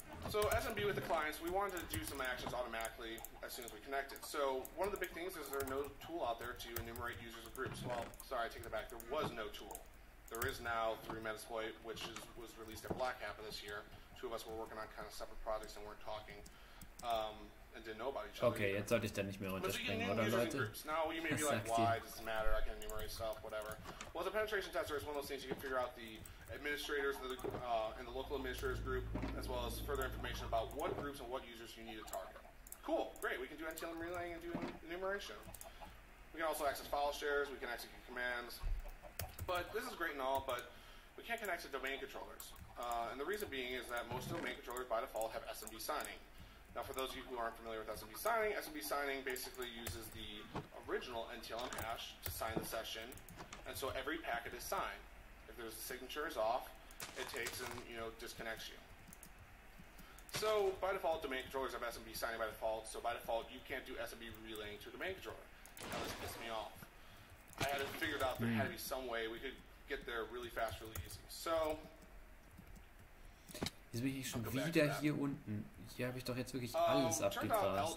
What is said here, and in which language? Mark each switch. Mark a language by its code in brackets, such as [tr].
[en] So SMB with the clients, we wanted to do some actions automatically as soon as we connected. So one of the big things is there's no tool out there to enumerate users and groups. Well, sorry, I take it back. There was no tool. There is now through Metasploit, which was released at Black Hat this year. Two of us were working on kind of separate projects and weren't talking and didn't know about each other. [de] Okay, jetzt sollte ich dann nicht mehr unterspringen, oder Leute? [en] Now you may be like, why? Does it matter? I can enumerate stuff, whatever. Well, as a penetration tester, it's one of those things you can figure out the administrators and the local administrators group, as well as further information about what groups and what users you need to target. Cool, great. We can do NTLM relaying and do enumeration. We can also access file shares. We can execute commands. But this is great and all, but we can't connect to domain controllers. And the reason being is that most domain controllers by default have SMB signing. Now, for those of you who aren't familiar with SMB signing basically uses the original NTLM hash to sign the session, and so every packet is signed. If there's a signature is off, it takes and, you know, disconnects you. So by default, domain controllers have SMB signing by default, so by default, you can't do SMB relaying to a domain controller. Now, this pissed me off. I had it figured out there had to be some way we could get there really fast, really easy. So... [de] Jetzt bin ich schon wieder hier unten. Hier habe ich doch jetzt wirklich alles abgegrast.